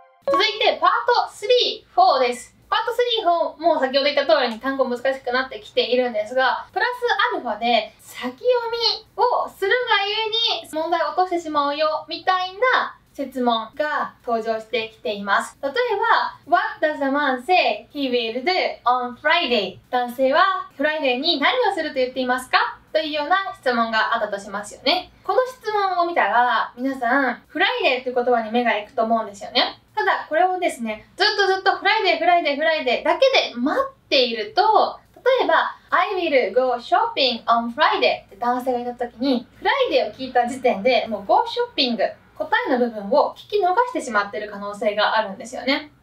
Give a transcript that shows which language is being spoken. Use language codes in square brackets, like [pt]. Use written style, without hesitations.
[ja] 続いてパート3、4です。パート3、4も先ほど言った通りに単語難しくなってきているんですが、プラスアルファで先読みをするがゆえに問題を落としてしまうよみたいな質問が登場してきています。 [en] 例えば What does a man say he will do on Friday? [ja] 男性はフライデーに何をすると言っていますか、というような質問があったとしますよね。この質問を見たら皆さんフライデーという言葉に目が行くと思うんですよね。ただこれをですね、ずっとずっとフライデーフライデーフライデーだけで待っていると、例えば [en] I will go shopping on Friday [ja] って男性が言った時に、フライデーを聞いた時点でもう [en] go shopping、 [ja] 答えの部分を聞き逃してしまっている可能性があるんですよね。